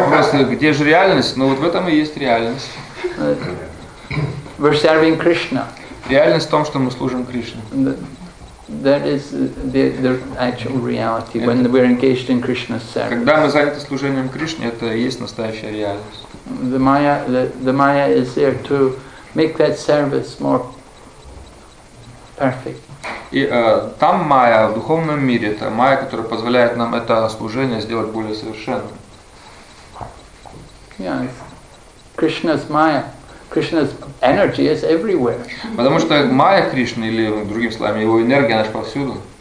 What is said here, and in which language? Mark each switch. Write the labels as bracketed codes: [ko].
[ru] Вопрос, где же реальность? Ну вот в этом и есть реальность. [en] We're serving Krishna. [ru] Реальность в том, что мы служим Кришне. [en] That is the actual reality when we're engaged in Krishna's service. [ru] Когда мы заняты служением Кришне, это и есть настоящая реальность. [en] The Maya is there to make that service more perfect. [ru] И там Майя в духовном мире, это Майя, которая позволяет нам это служение сделать более совершенным. [en] Yes, Krishna's Maya, Krishna's energy is everywhere. [ru] Потому что Майя Кришны, или другими словами, его энергия, она же повсюду.